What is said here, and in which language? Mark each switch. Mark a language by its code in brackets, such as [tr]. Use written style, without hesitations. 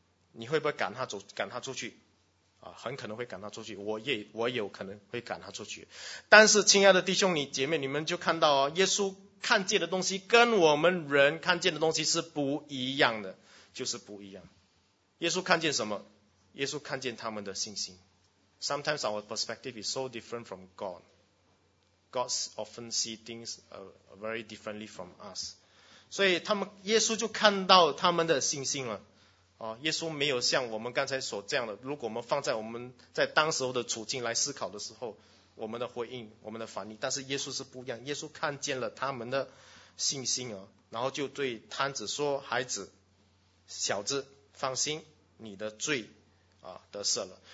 [zh] 你会不会赶他出去？啊，很可能会赶他出去，我也有可能会赶他出去。但是亲爱的弟兄姐妹，你们就看到哦，耶稣看见的东西跟我们人看见的东西是不一样的，就是不一样。耶稣看见什么？耶稣看见他们的信心。 [en] Sometimes our perspective is so different from God. God often see things very differently from us. [zh] 所以他们耶稣就看到他们的信心了。耶稣没有像我们刚才所这样的，如果我们放在我们在当时候的处境来思考的时候，我们的回应，我们的反应，但是耶稣是不一样。耶稣看见了他们的信心啊，然后就对摊子说，孩子，小子，放心，你的罪得赦了。